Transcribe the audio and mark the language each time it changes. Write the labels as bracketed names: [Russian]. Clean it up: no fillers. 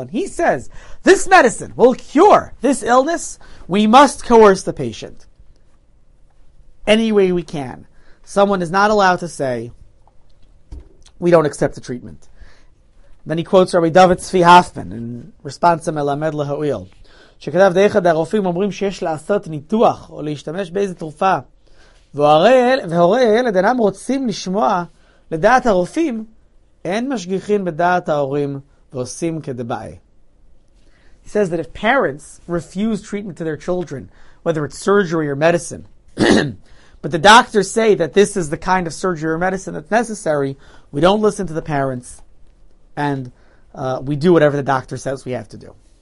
[English] And he says, this medicine will cure this illness. We must coerce the patient any way we can. Someone is not allowed to say, we don't accept the treatment. Then he quotes Rabbi David Tzvi Hoffman in response to Melamed Lehoil. [Hebrew] שכתב די אחד הרופאים אומרים שיש לעשות ניתוח או להשתמש באיזה תרופה והורי הילד אינם רוצים לשמוע לדעת הרופאים אין משגיחים בדעת ההורים ועושים כדבעי. [English] He says that if parents refuse treatment to their children, whether it's surgery or medicine, but the doctors say that this is the kind of surgery or medicine that's necessary, we don't listen to the parents and we do whatever the doctor says we have to do.